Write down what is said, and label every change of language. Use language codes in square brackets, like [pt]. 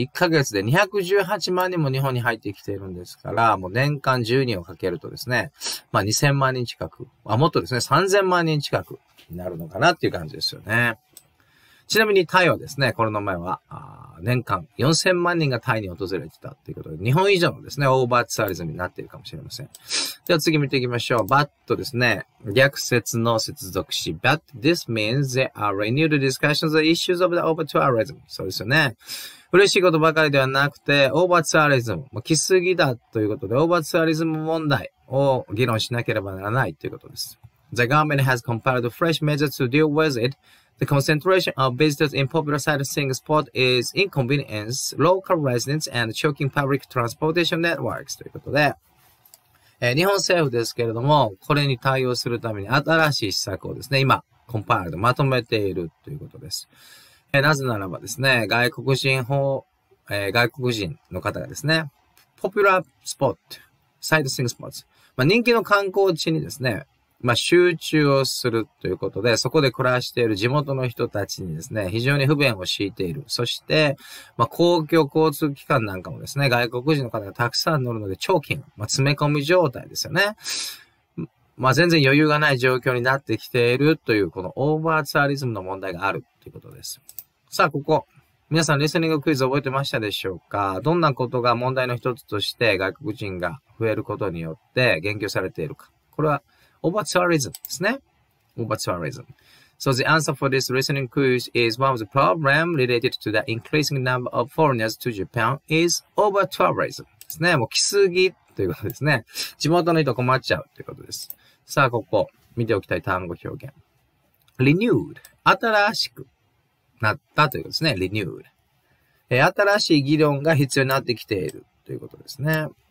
[ja] 1ヶ月で218万人も日本に入ってきているんですから、もう年間10人をかけるとですね、まあ2000万人近く、あ、もっとですね、3000万人近くになるのかなっていう感じですよね。ちなみにタイはですね、コロナ前は、年間4000万人がタイに訪れてたっていうことで、日本以上のですね、オーバーツーリズムになっているかもしれません。では次見ていきましょう。 but ですね、逆説の接続詞。 [en] but this means there are renewed discussions of issues of the over tourism. [ja] そうですよね。嬉しいことばかりではなくて、オーバーツーリズム。もう来すぎだということで、オーバーツーリズム問題を議論しなければならないということです。 [en] the government has compiled fresh measures to deal with it. The concentration of visitors in popular sightseeing spot is inconvenience local residents and choking public transportation networks. [ja] ということで、日本政府ですけれども、これに対応するために新しい施策をですね、今、コンパイルでまとめているということです。なぜならばですね、外国人法、外国人の方がですね、 [en] popular spot, sightseeing spots、 [ja] まあ、人気の観光地にですね、まあ、集中をするということで、そこで暮らしている地元の人たちにですね、非常に不便を強いている。そして、まあ、公共交通機関なんかもですね、外国人の方がたくさん乗るので、チョーキング、まあ、詰め込み状態ですよね。まあ、全然余裕がない状況になってきているという、このオーバーツアリズムの問題があるということです。さあ、ここ。皆さん、リスニングクイズ覚えてましたでしょうか？どんなことが問題の一つとして、外国人が増えることによって言及されているか。これは、オーバーツアリズムですね。オーバーツアリズム。 [en] So the answer for this listening quiz is one of the problems related to the increasing number of foreigners to Japan is over tourism. [ja] ですね。もう来すぎということですね。地元の人困っちゃうということです。さあ、ここ見ておきたい単語表現。 renewed、 新しくなったということですね。 renewed、新しい議論が必要になってきているということですね。